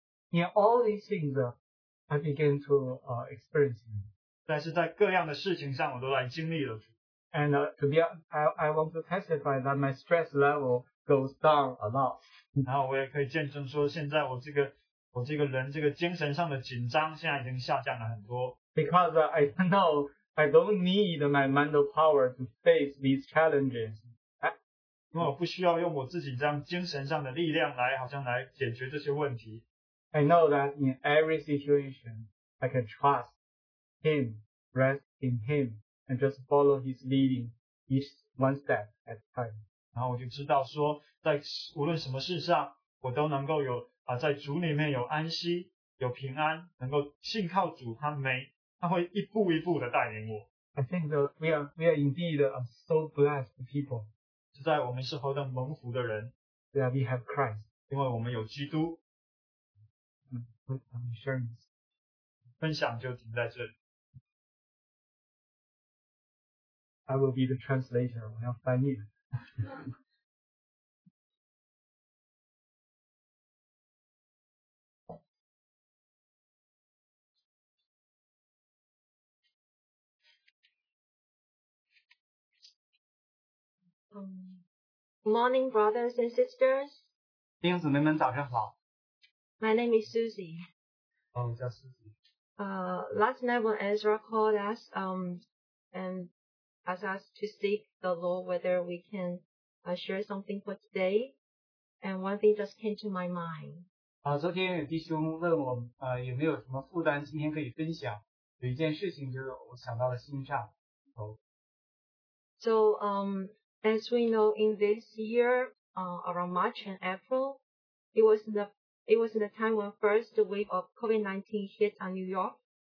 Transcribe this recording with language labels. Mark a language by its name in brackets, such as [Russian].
[English] In all these things, I began to experience. [Chinese] 但是在各样的事情上，我都来经历了。 [English] And I want to testify that my stress level goes down a lot. [Chinese] 然后我也可以见证说，现在我这个人这个精神上的紧张现在已经下降了很多。 [English] Because I know I don't need my mental power to face these challenges. [Chinese] 因为我不需要用我自己这样精神上的力量来好像来解决这些问题。 [English] I know that in every situation I can trust Him, rest in Him, and just follow His leading each one step at a time. [Chinese] 然后我就知道说在无论什么事上我都能够有在主里面有安息有平安能够信靠主他会一步一步的带领我。 [English] I think that we are indeed a so blessed people. [Chinese] 是在我们是何等蒙福的人。 [English] Yeah, we have Christ. [Chinese] 因为我们有基督。 [English] With assurance. [Chinese] 分享就停在这里。 [English] I will be the translator, [Chinese] 我要翻译。 [English] Morning, brothers and sisters. [Chinese] 弟兄姊妹们，早上好。 [English] My name is Susie. [Chinese] 我叫 Susie. [English] Last night when Ezra called us, and ask us to seek the Lord whether we can share something for today. And one thing just came to my mind. [Chinese] 昨天有弟兄问我有没有什么负担今天可以分享，有一件事情就是我想到了心上。 [English] So, as we know, in this year, around March and April, it was the time when first wave of COVID-19 hit on New York.